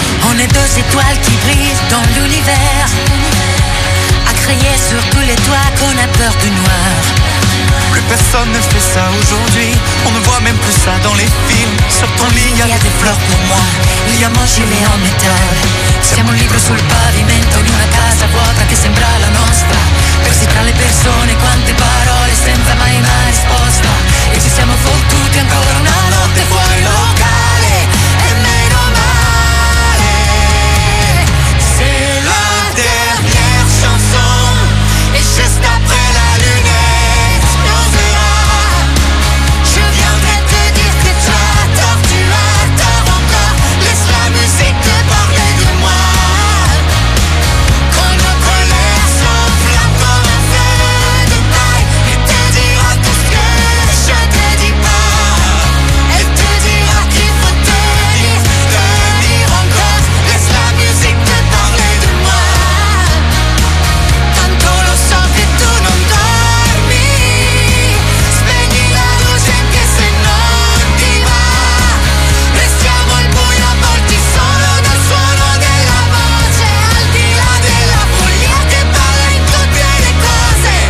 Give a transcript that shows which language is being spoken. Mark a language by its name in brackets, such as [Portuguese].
[French] On est deux étoiles qui brillent dans l'univers. À créer... effrayer sur tous les toits qu'on a peur du noir. Plus personne ne fait ça aujourd'hui. On ne voit même plus ça dans les films. Sur ton lit, il y a des fleurs pour moi. Il y a mon gilet en métal. [Italian] Siamo un libro sul pavimento di una casa vuota che sembra la nostra. Persi tra le persone, quante parole senza mai una risposta. E ci siamo fottuti ancora una notte fuori locale. E meno male se [French] la dernière chanson est juste après la lunette. On verra. Je viendrai te dire que tu as tort, tu as tort encore. Laisse la musique te parler de moi. Quand nos colères s'enflamment comme un feu de paille, et te dira tout ce que je te dis pas. Et te dira qu'il faut tenir en cause. Laisse la musique te parler de moi. [Italian] Tanto lo so che tu non dormi. Spegni la luce anche se non ti va. Restiamo al buio avvolti solo dal suono della voce. Al di là della follia che balla in tutte le cose.